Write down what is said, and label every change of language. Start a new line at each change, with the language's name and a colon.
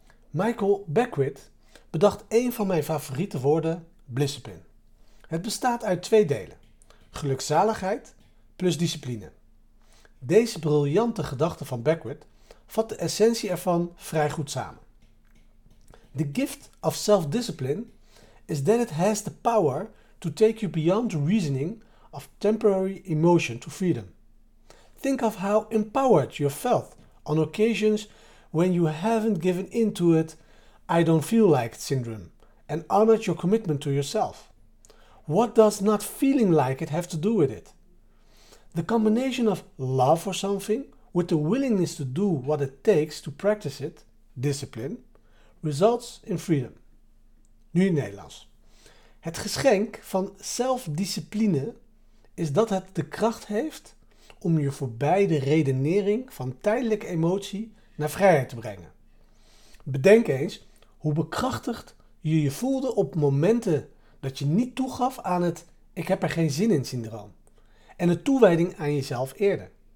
Dutch: Michael Beckwith bedacht een van mijn favoriete woorden, blissepin. Het bestaat uit twee delen. Gelukzaligheid plus discipline. Deze briljante gedachte van Beckwith vat de essentie ervan vrij goed samen.
English: The gift of self-discipline is that it has the power to take you beyond the reasoning of temporary emotion to freedom. Think of how empowered you felt on occasions when you haven't given in to it I don't feel like it syndrome and honored your commitment to yourself. What does not feeling like it have to do with it? The combination of love for something with the willingness to do what it takes to practice it, discipline, results in freedom.
Dutch: Nu in Nederlands. Het geschenk van zelfdiscipline is dat het de kracht heeft om je voorbij de redenering van tijdelijke emotie naar vrijheid te brengen. Bedenk eens hoe bekrachtigd je je voelde op momenten dat je niet toegaf aan het ik heb er geen zin in syndroom en de toewijding aan jezelf eerder.